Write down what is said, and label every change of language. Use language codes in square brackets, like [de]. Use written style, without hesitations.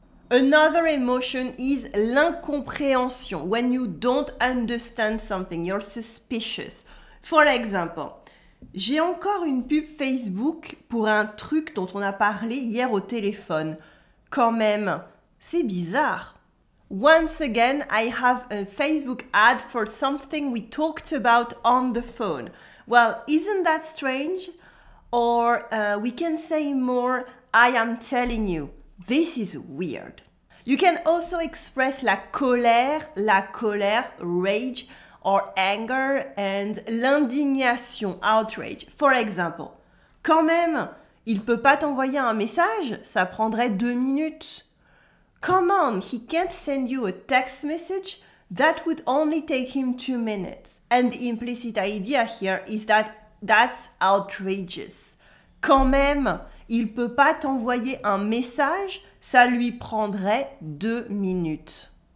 [en] Another emotion is l'incompréhension. When you don't understand something, you're suspicious. For example, [fr] j'ai encore une pub Facebook pour un truc dont on a parlé hier au téléphone. Quand même, c'est bizarre. [en] Once again, I have a Facebook ad for something we talked about on the phone. Well, isn't that strange? Or we can say more, I am telling you, this is weird. You can also express la colère, rage, or anger, and l'indignation, outrage. For example, [fr] quand même, il peut pas t'envoyer un message, ça prendrait 2 minutes. [en] Come on, he can't send you a text message, that would only take him 2 minutes. And the implicit idea here is that that's outrageous. [fr] Quand même, il peut pas t'envoyer un message, ça lui prendrait 2 minutes.